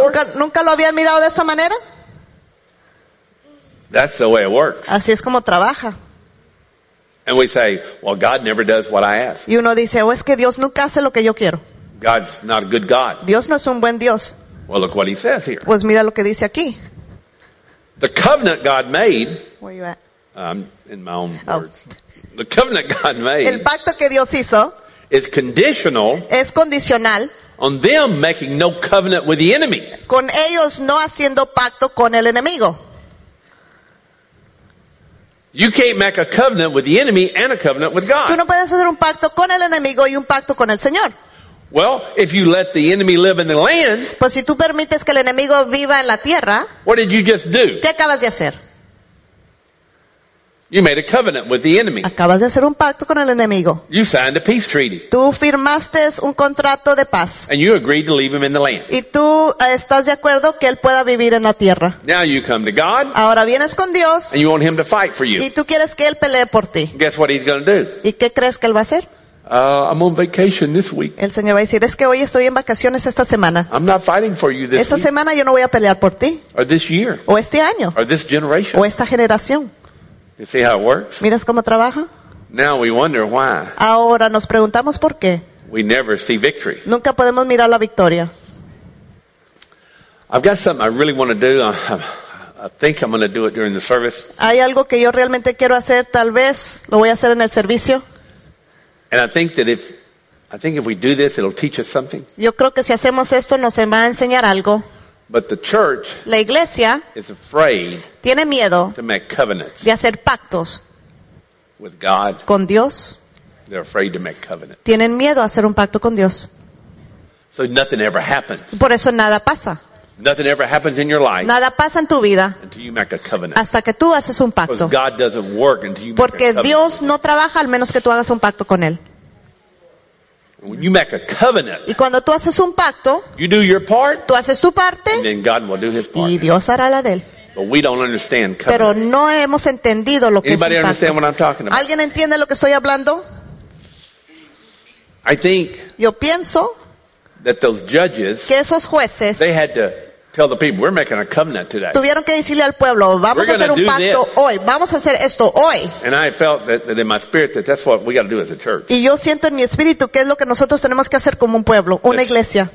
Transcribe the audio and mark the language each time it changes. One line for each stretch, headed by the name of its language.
Spanish: ¿Nunca, nunca lo habían mirado de esa manera?
English: That's the way it works.
Spanish: Así es como trabaja.
English: And we say, well, God never does what I ask.
Spanish: Y uno dice, oh, es que Dios nunca hace lo que yo quiero.
English: God's not a good God.
Spanish: Dios no es un buen Dios.
English: Well, look what he says here.
Spanish: Pues mira lo que dice aquí.
English: The covenant God made. Where you at? I'm in my own words. The covenant God made.
Spanish: El pacto que Dios hizo.
English: Is conditional.
Spanish: Es condicional.
English: On them making no covenant with the enemy.
Spanish: Con ellos no haciendo pacto con el enemigo.
English: You can't make a covenant with the enemy and a covenant with God.
Spanish: Tú no puedes hacer un pacto con el enemigo y un pacto con el Señor.
English: Well, if you let the enemy live in the land,
Spanish: pues si tú permites que el enemigo viva en la tierra,
English: what did you just do?
Spanish: ¿Qué acabas de hacer?
English: You made a covenant with the enemy.
Spanish: Acabas de hacer un pacto con el enemigo.
English: You signed a peace treaty.
Spanish: Tú firmaste un contrato de paz.
English: And you agreed to leave him in the land.
Spanish: Y tú estás de acuerdo que él pueda vivir en la tierra.
English: Now you come to God.
Spanish: Ahora vienes con Dios.
English: And you want him to fight for you.
Spanish: Y tú quieres que él pelee por ti.
English: Guess what he's going to do?
Spanish: ¿Y qué crees que él va a hacer?
English: I'm on vacation this week.
Spanish: El Señor va a decir, es que hoy estoy en vacaciones esta semana.
English: I'm not fighting for you this
Spanish: esta semana yo no voy a pelear por ti.
English: Or this year.
Spanish: O este año.
English: Or this generation.
Spanish: O esta generación.
English: You see how it works?
Spanish: ¿Miras cómo trabaja?
English: Now we wonder why.
Spanish: Ahora nos preguntamos por qué.
English: We never see victory.
Spanish: Nunca podemos mirar la victoria.
English: I've got something I really want to do. I think I'm going to do it during the service.
Spanish: Hay algo que yo realmente quiero hacer, tal vez lo voy a hacer en el servicio.
English: And I think if we do this, it'll teach us something.
Spanish: Yo creo que si hacemos esto nos va a enseñar algo.
English: But the church,
Spanish: la iglesia,
English: is afraid,
Spanish: tiene miedo,
English: to make covenants,
Spanish: de hacer pactos,
English: with God,
Spanish: con Dios.
English: They're afraid to make covenants.
Spanish: Tienen miedo a hacer un pacto con Dios.
English: So nothing ever happens.
Spanish: Por eso nada pasa.
English: Nothing ever happens in your life.
Spanish: Nada pasa en tu vida.
English: Until you make a covenant.
Spanish: Hasta que tú haces un pacto.
English: Because God doesn't work until you
Spanish: porque
English: make a covenant.
Spanish: Porque Dios no trabaja al menos que tú hagas un pacto con él.
English: When you make a covenant,
Spanish: y cuando tú haces un pacto,
English: you do your part,
Spanish: tú haces tu parte,
English: and then God will do his part.
Spanish: Y Dios hará la de él.
English: But we don't understand covenant.
Spanish: Pero no hemos entendido lo que
English: anybody
Spanish: es un pacto.
English: Understand what I'm talking about?
Spanish: ¿Alguien entiende lo que estoy hablando?
English: I think
Spanish: yo pienso
English: that those judges,
Spanish: que esos jueces,
English: they had to tell the people, we're making a covenant today.
Spanish: Tuvieron que decirle al pueblo, vamos a hacer un pacto hoy. Vamos a hacer esto hoy.
English: And I felt that in my spirit that that's what we got to do as a church.
Spanish: Y yo siento en mi espíritu que es lo que nosotros tenemos que hacer como un pueblo, una iglesia.